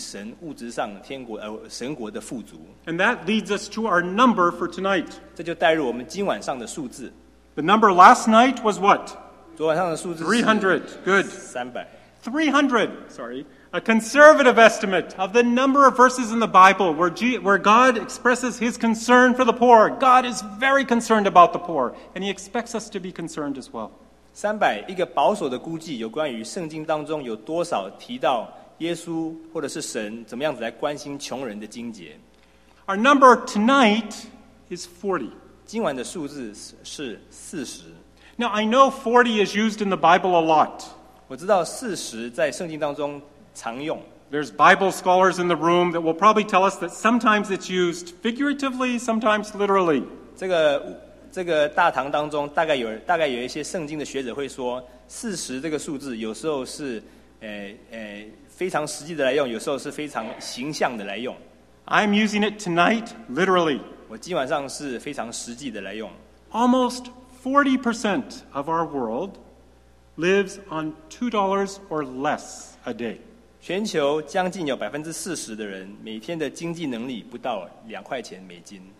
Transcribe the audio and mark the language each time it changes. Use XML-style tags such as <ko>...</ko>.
<zh>很可惜的，这世界上绝大部分的人并没有办法像我们这样子来经历神物质上天国神国的富足。</zh> <en>And that leads us to our number for tonight.</en> <zh>这就带入我们今晚上的数字。</zh> <en>The number last night was what?</en> <zh>昨晚上的数字是</zh> <en>300. Good. 300. 300. Sorry. A conservative estimate of the number of verses in the Bible where God expresses his concern for the poor. God is very concerned about the poor, and he expects us to be concerned as well. 300, our number tonight is 40.</en> <zh>今晚的数字是40.</zh> <en>Now, I know 40 is used in the Bible a lot.</en> <zh>我知道40在圣经当中常用.</zh> <en>There's Bible scholars in the room that will probably tell us that sometimes it's used figuratively, sometimes literally.</en> <zh>这个大堂当中大概有一些圣经的学者会说，40这个数字有时候是非常实际的来用，有时候是非常形象的来用。</zh> <en>I'm using it tonight, literally. Almost 40% of our world lives on $2 or less a day.</en> <zh>全球将近有40%的人每天的经济能力不到2块钱美金。</zh>